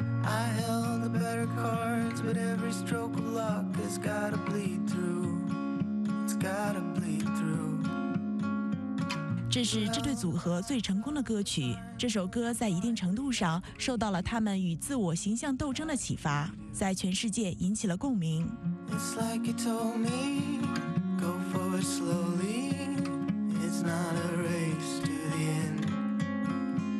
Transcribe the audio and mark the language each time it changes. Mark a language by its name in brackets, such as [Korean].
[English] I held the better cards, but every stroke of luck has gotta bleed through. It's gotta bleed through. [Chinese] 这是这对组合最成功的歌曲，这首歌在一定程度上受到了他们与自我形象斗争的启发，在全世界引起了共鸣。 [English] It's like you told me, go forward slowly, it's not a race to the end.